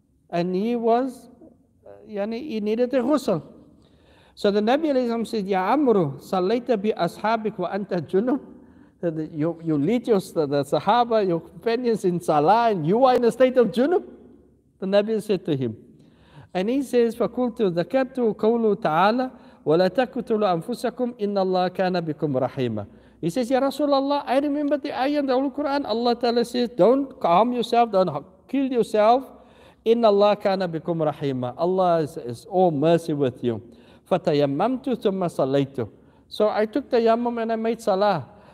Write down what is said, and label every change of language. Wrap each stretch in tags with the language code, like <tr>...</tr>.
<en>And he was, he needed a ghusl. So the Nabi alayhi salam said, Ya Amru,</en> <ar>صَلَّيْتَ بِأَصْحَابِكَ وَأَنْتَ جُنُبٌ.</ar> <en>You lead the Sahaba, your companions in salah, and you are in a state of junub. The Nabi said to him. And he says,</en> <ar>فَقُلْتُ ذَكَرْتُ قَوْلُ تَعَالَى وَلَا تَكُتُلُ أَنفُسَكُمْ إِنَّ اللَّهَ كَانَ بِكُمْ رَحِيمًا.</ar> <en>He says, Ya Rasulullah, I remember the ayah in the Holy Quran. Allah Ta'ala says, don't harm yourself, don't kill yourself.</en> <ar>إِنَّ اللَّهَ كَانَ بِكُمْ رَحِيمًا.</ar> <en>Allah is all mercy with you.</en> <ar>فَتَيَمَّمْتُ ثُمَّ صَلَّيْتُ.</ar> <en>So I took tayammum and I made salah.</en>